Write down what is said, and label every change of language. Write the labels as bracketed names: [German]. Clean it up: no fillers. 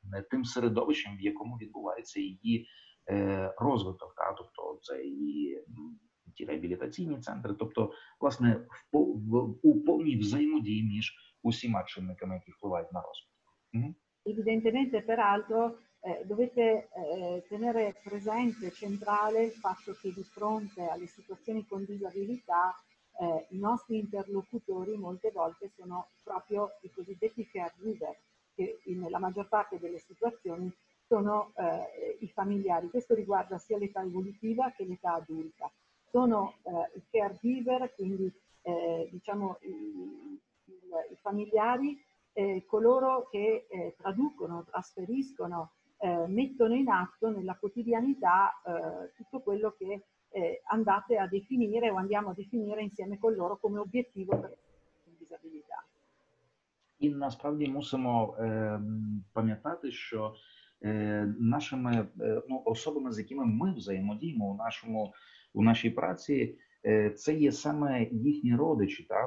[Ukrainian] тим середовищем, в якому відбувається її розвиток, та, тобто це її ті реабілітаційні центри, тобто, власне, у повній взаємодії між усіма чинниками, які впливають на розвиток. [Italian] Evidentemente, peraltro, dovete tenere presente, centrale, il fatto che di fronte alle situazioni con disabilità i nostri interlocutori molte volte sono proprio i cosiddetti caregiver, che nella maggior parte delle situazioni sono i familiari. Questo riguarda sia l'età evolutiva che l'età adulta. Sono i caregiver, quindi diciamo i familiari, coloro che traducono, trasferiscono, mettono in atto nella quotidianità tutto quello che andate a definire o andiamo a definire insieme con loro come obiettivo per la disabilità. [Ukrainian] І насправді мусимо пам'ятати, що нашими особами, з якими ми взаємодіємо у нашій праці, це є саме їхні родичі, та?